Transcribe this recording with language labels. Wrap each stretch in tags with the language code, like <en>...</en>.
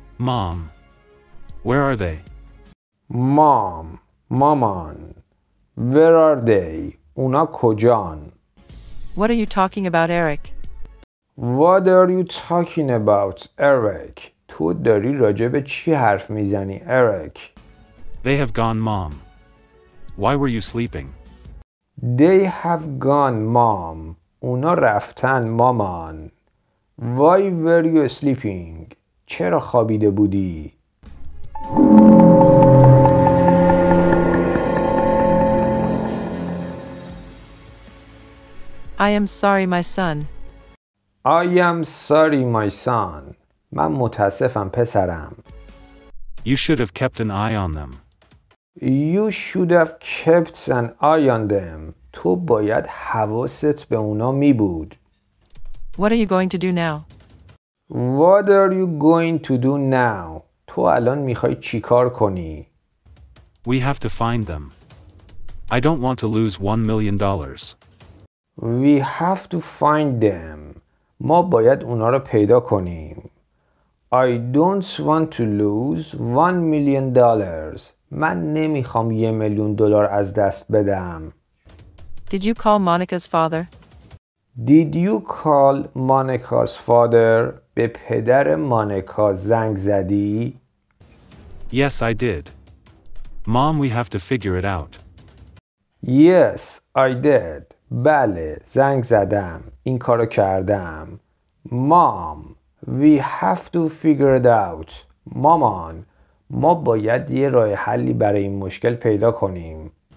<en>Mom, where are they? Mom, مامان, where are they?</en> <fa>اونا کجان؟</fa> <en>What are you talking about, Eric? What are you talking about, Eric?</en> <fa>تو داری راجع به چی حرف میزنی, Eric?</fa> <en>They have gone, Mom. Why were you sleeping? They have gone, Mom.</en> <fa>اونا رفتن, مامان.</fa> <en>Why were you sleeping?</en> <fa>چرا خوابیده بودی؟</fa> <en>I am sorry, my son. I am sorry, my son.</en> <fa>من متاسفم پسرم.</fa> <en>You should have kept an eye on them. You should have kept an eye on them.</en> <fa>تو باید حواست به اونا می بود.</fa> <en>What are you going to do now? What are you going to do now?</en> <fa>تو الان میخوای چیکار کنی؟</fa> <en>We have to find them. I don't want to lose $1,000,000. We have to find them.</en> <fa>ما باید اونا رو پیدا کنیم.</fa> <en>I don't want to lose $1,000,000.</en> <fa>من نمیخوام $1,000,000 از دست بدم.</fa> <en>Did you call Monica's father? Did you call Monica's father?</en> <fa>به پدر مانیکا زنگ زدی؟</fa> <en>Yes, I did. Mom, we have to figure it out. Yes, I did.</en> <fa>بله, زنگ زدم. این کارو کردم.</fa> <en>Mom, we have to figure it out.</en> <fa>مامان, ما باید یه راه حلی برای این مشکل پیدا کنیم.</fa>